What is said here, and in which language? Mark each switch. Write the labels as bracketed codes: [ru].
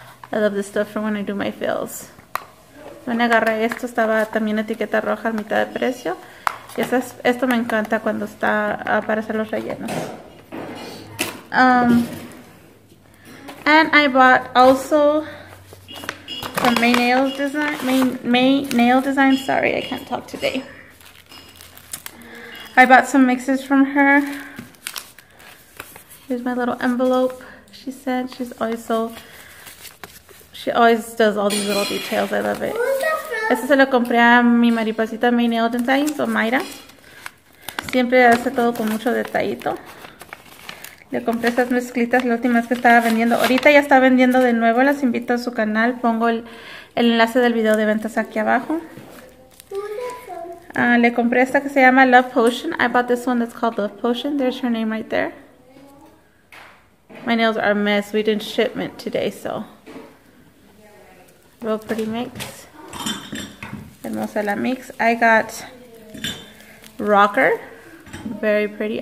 [en] I love this stuff for when I do my fails. [es] Me agarré esto, estaba también etiqueta roja a mitad de precio. Y esto me encanta cuando está para hacer los rellenos. [en] And I bought also some Maenaildesigns. Sorry, I can't talk today. I bought some mixes from her. Here's my little envelope. She said she's always so. She always does all these little details. I love it. [es] Este se lo compré a mi mariposita Maenaildesigns, o Mayra. Siempre hace todo con mucho detallito. Le compré estas mezclitas, la última vez que estaba vendiendo. Ahorita ya está vendiendo de nuevo, las invito a su canal. Pongo el enlace del video de ventas aquí abajo. Le compré esta que se llama Love Potion. [en] I bought this one that's called Love Potion. There's her name right there. My nails are a mess. We didn't shipment today, so. Real pretty mix. [es] Hermosa la mix. [en] I got Rocker. Very pretty.